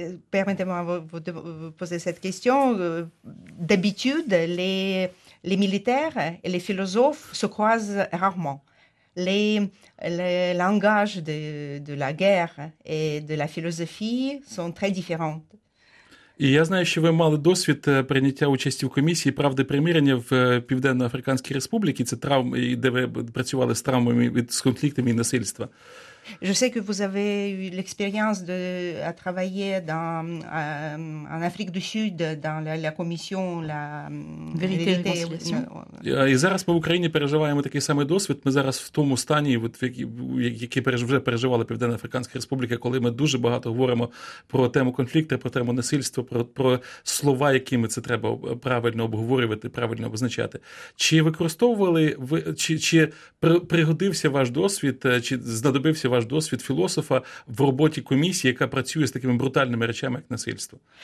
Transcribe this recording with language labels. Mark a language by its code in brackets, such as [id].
[fr] Permettez-moi de vous poser cette question. D'habitude, les militaires et les philosophes se croisent rarement. Les langages de la guerre et de la philosophie sont très différents. [uk] І я знаю, що ви мали досвід прийняття участі в комісії «Правди примирення» в Південно-Африканській Республіці, це травми, де ви працювали з травмами, з конфліктами і насильства. [fr] Je sais que vous avez eu l'expérience de à travailler dans en Afrique du Sud dans la commission la vérité et réconciliation. [uk] І зараз по Україні переживаємо такий самий досвід. Ми зараз в тому стані, який вже переживала Південно-Африканська Республіка, коли ми дуже багато говоримо про тему конфлікту, про тему насильства, про слова, якими це треба правильно обговорювати, правильно обозначати. Чи використовували чи пригодився ваш досвід, чи знадобився ваш досвід філософа в роботі комісії, яка працює з такими брутальними речами, як насильство?